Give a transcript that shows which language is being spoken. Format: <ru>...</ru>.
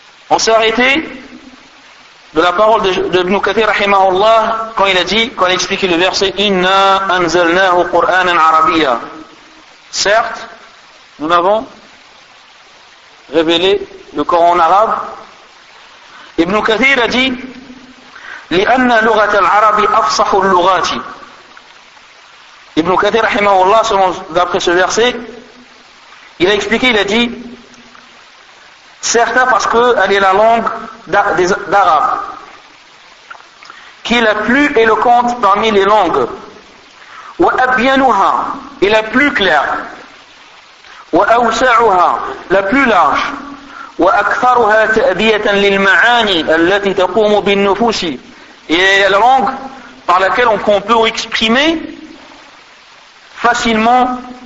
<fr>On s'est arrêté de la parole de Ibn Kathir rahimahullah quand il a dit, quand il a expliqué le verset</fr> <ar>Inna anzalnahu Qur'anan arabiya.</ar> <fr>Certes, nous avons révélé le Coran en arabe. Ibn Kathir a dit</fr> <ar>لِأَنَّ لُغَةَ الْعَرَبِ أَفْصَحُ اللُّغَاتِ.</ar> <fr>Ibn Kathir rahimahullah, selon d'après ce verset, il a expliqué, il a dit certes parce qu'elle est la langue d'arabe qui est la plus éloquente parmi les langues,</fr> <ar>وَأَبْيَنُهَا,</ar> <fr>et la plus claire,</fr> <ar>وَأَوْسَعُهَا,</ar> <fr>la plus large,</fr> <ar>وَأَكْثَرُهَا تَأْدِيَةً لِلْمَعَانِي الَّتِي تَقُومُ بِالنُّفُوسِ,</ar> <fr>et la langue par laquelle on peut exprimer facilement.</fr>